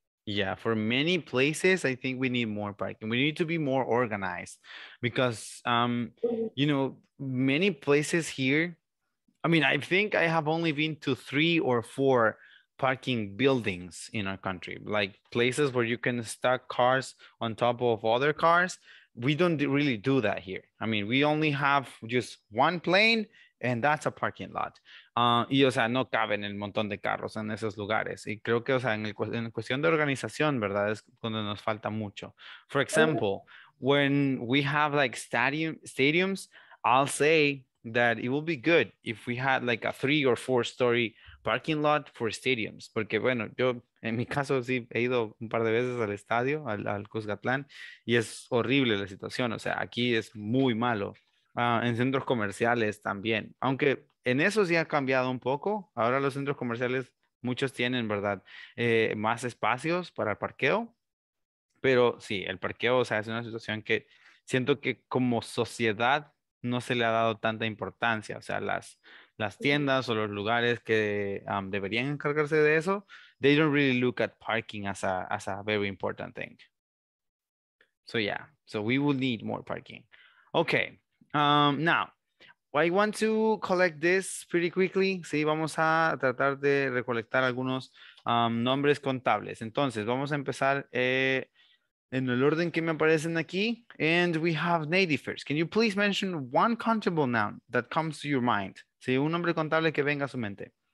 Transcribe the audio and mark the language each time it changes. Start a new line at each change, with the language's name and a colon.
English: Yeah, for many places, I think we need more parking. We need to be more organized because, you know, many places here, I mean, I think I have only been to 3 or 4 parking buildings in our country, like places where you can stack cars on top of other cars. We don't really do that here. I mean, we only have just one plane and that's a parking lot.
Spanish: Y, o sea, no caben el montón de carros en esos lugares. Y creo que, o sea, en cuestión de organización, ¿verdad? Es cuando nos falta mucho.
English: For example, when we have, like, stadiums, I'll say that it would be good if we had, like, a 3 or 4-story parking lot for stadiums.
Spanish: Porque, bueno, yo, en mi caso, sí, he ido un par de veces al estadio, al Cuscatlán, y es horrible la situación. O sea, aquí es muy malo. En centros comerciales también. Aunque en eso sí ha cambiado un poco. Ahora los centros comerciales, muchos tienen, ¿verdad? Más espacios para el parqueo. Pero sí, el parqueo, o sea, es una situación que siento que como sociedad no se le ha dado tanta importancia. O sea, las tiendas o los lugares que deberían encargarse de eso,
English: they don't really look at parking as a very important thing. So yeah, so we will need more parking. Okay. Now, I want to collect this pretty quickly.
Spanish: Sí, vamos a tratar de recolectar algunos nombres contables. Entonces, vamos a empezar en el orden que me aparecen aquí.
English: And we have nativers. Can you please mention one countable noun that comes to your mind?
Spanish: Sí, un nombre contable que venga a su mente.